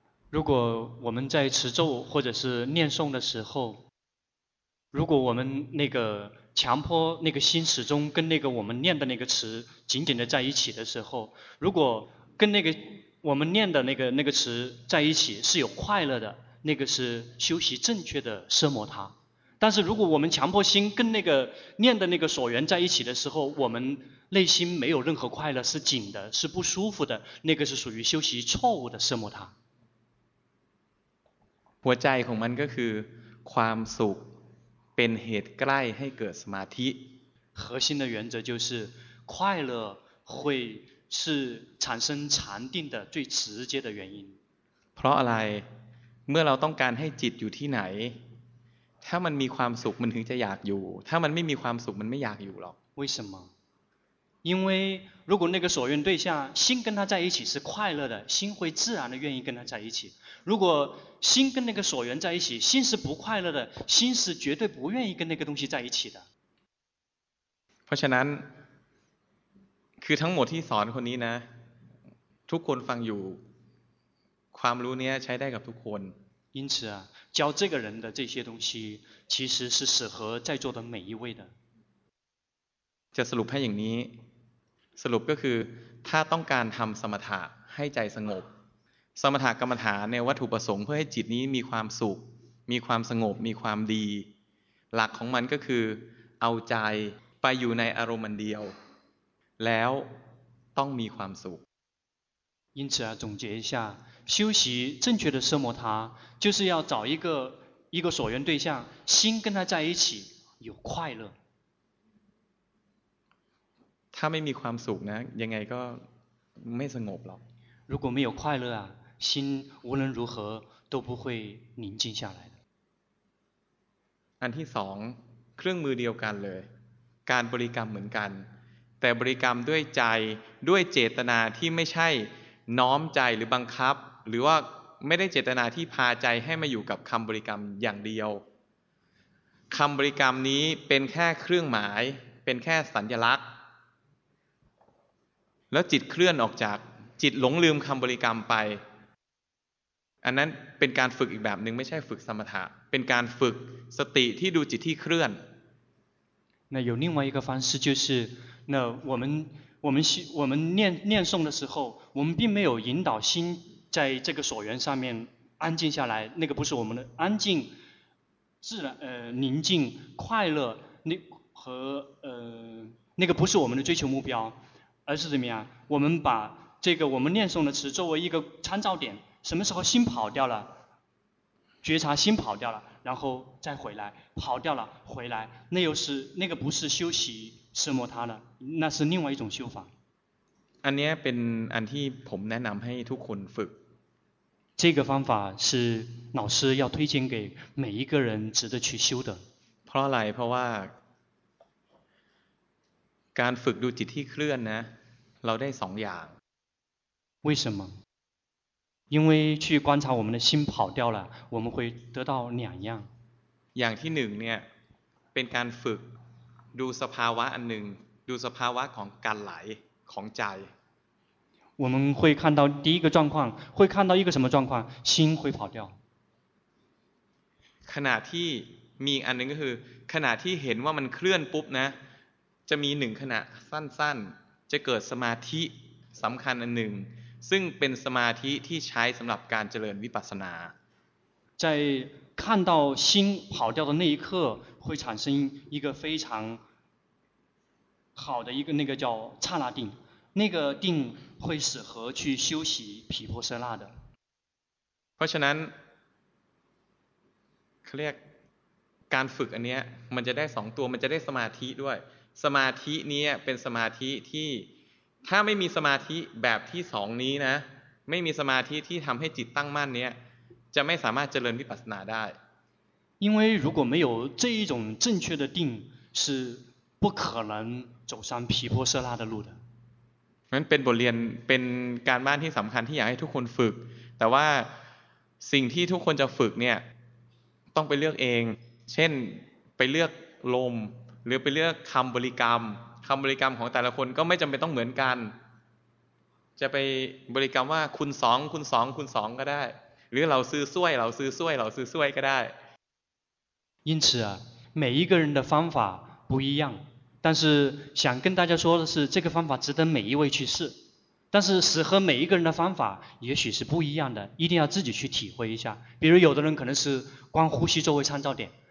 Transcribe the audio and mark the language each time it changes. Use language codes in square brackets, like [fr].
[zh] 如果我们在持咒或者是念诵的时候如果我们那个强迫那个心始终跟那个我们念的那个词紧紧的在一起的时候如果跟那个我们念的那个词在一起是有快乐的那个是修习正确的奢摩他但是如果我们强迫心跟那个念的那个所缘在一起的时候我们内心没有任何快乐是紧的是不舒服的那个是属于修习错误的奢摩他 [th] หัวใจของมันก็คือความสุขเป็นเหตุใกล้ให้เกิดสมาธิ [zh] 核心的原则就是快乐会是产生禅定的最直接的原因 [th] เพราะอะไรเมื่อเราต้องการให้จิตอยู่ที่ไหนถ้ามันมีความสุขมันถึงจะอยากอยู่ถ้ามันไม่มีความสุขมันไม่อยากอยู่หรอก [zh] 为什么因为如果那个所愿对象心跟他在一起是快乐的心会自然的愿意跟他在一起如果心跟那个所缘在一起心是不快乐的心是绝对不愿意跟那个东西在一起的 [th] เพราะฉะนั้นคือทั้งหมดที่สอนคนนี้นะทุกคนฟังอยู่ความรู้เนี้ยใช้ได้กับทุกคน [zh] 因此啊教这个人的这些东西其实是适合在座的每一位的 [th] จะสรุปให้อย่างนี้สรุปก็คือถ้าต้องการทำสมถะให้ใจสงบสมถะกรรมฐานในวัตถุประสงค์เพื่อให้จิตนี้มีความสุขมีความสงบมีความดีหลักของมันก็คือเอาใจไปอยู่ในอารมณ์เดียวแล้วต้องมีความสุข [zh] 因此啊，总结一下，修习正确的奢摩他，就是要找一个所缘对象，心跟他在一起有快乐。他没 [th] มีความสุขนะยังไงก็ไม่สงบหรอก。 [zh] 如果没有快乐啊，心无论如何都不会宁静下来的。 [th] อันที่สองเครื่องมือเดียวกันเลยการบริกรรมเหมือนกันแต่บริกรรมด้วยใจด้วยเจตนาที่ไม่ใช่น้อมใจหรือบังคับหรือว่าไม่ได้เจตนาที่พาใจให้มาอยู่กับคำบริกรรมอย่างเดียวคำบริกรรมนี้เป็นแค่เครื่องหมายเป็นแค่สัญลักษณ์ แล้วจิตเคลื่อนออกจากจิตหลงลืมคำบริกรรมไปอันนั้นเป็นการฝึกอีกแบบนึงไม่ใช่ฝึกสมถะเป็นการฝึกสติที่ดูจิตที่เคลื่อน [zh] 那有另外一个方式就是那我们念诵的时候我们并没有引导心在这个所缘上面安静下来那个不是我们的安静自然宁静快乐那和那个不是我们的追求目标而是怎么样我们把这个我们念诵的词作为一个参照点什么时候心跑掉了觉察心跑掉了然后再回来跑掉了回来那又是那个不是修习奢摩他了那是另外一种修法 [th] อันนี้เป็นอันที่ผมแนะนำให้ทุกคนฝึก [zh] 这个方法是老师要推荐给每一个人值得去修的 [th] เพราะอะไรเพราะว่าการฝึกดูจิตที่เคลื่อนนะเราได้สองอย่าง [zh] 为什么因为去观察我们的心跑掉了我们会得到两样 [th] อย่างที่หนึ่งเนี่ยเป็นการฝึกดูสภาวะอันหนึ่งดูสภาวะของการไหลของใจ [zh] 我们会看到第一个状况会看到一个什么状况心会跑掉 [th] ขณะที่มีอันหนึ่งก็คือขณะที่เห็นว่ามันเคลื่อนปุ๊บนะจะมีหนึ่งขณะสั้นๆจะเกิดสมาธิสำคัญอันหนึ่งซึ่งเป็นสมาธิที่ใช้สำหรับการเจริญวิปัสสนา [zh] 在看到心跑掉的那一刻会产生一个非常好的一个那个叫刹那定那个定会适合去修习毗婆舍那的 [th] เพราะฉะนั้นเขาเรียกการฝึกอันเนี้ยมันจะได้สองตัวมันจะได้สมาธิด้วยสมาธินี้เป็นสมาธิที่ถ้าไม่มีสมาธิแบบที่สองนี้นะไม่มีสมาธิที่ทำให้จิตตั้งมั่นเนี้ยจะไม่สามารถเจริญวิปัสสนาได้ [zh] 因为如果没有这一种正确的定是不可能走上毗婆舍那的路的 [th] นั้นเป็นบทเรียนเป็นการบ้านที่สำคัญที่อยากให้ทุกคนฝึกแต่ว่าสิ่งที่ทุกคนจะฝึกเนี่ยต้องไปเลือกเองเช่นไปเลือกลมหรือไปเลือกคำบริกรรมคำบริกรรมของแต่ละคนก็ไม่จำเป็นต้องเหมือนกันจะไปบริกรรมว่าคุณสองคุณสองคุณสองก็ได้หรือเราซื้อซ่วยเราซื้อซ่วยเราซื้อซ่วยก็ได้ [zh] 因此啊每一个人的方法不一样但是想跟大家说的是这个方法值得每一位去试但是适合每一个人的方法也许是不一样的一定要自己去体会一下比如有的人可能是光呼吸作为参照点